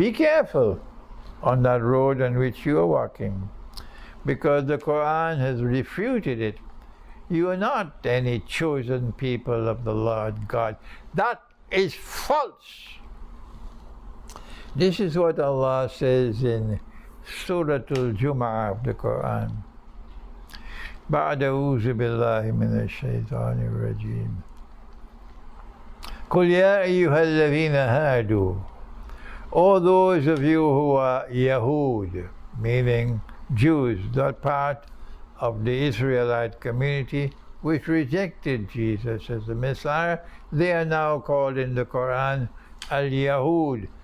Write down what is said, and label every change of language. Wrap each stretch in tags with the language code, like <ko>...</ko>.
<en>Be careful on that road on which you are walking, because the Quran has refuted it. You are not any chosen people of the Lord God. That is false. This is what Allah says in Surah Al-Jum'ah of the Quran.</en> <ar>بعد أعوذ بالله من الشيطان الرجيم قل يا أيها الذين هادوا.</ar> <en>All those of you who are Yahud, meaning Jews, that part of the Israelite community which rejected Jesus as the Messiah, they are now called in the Quran Al-Yahud.</en>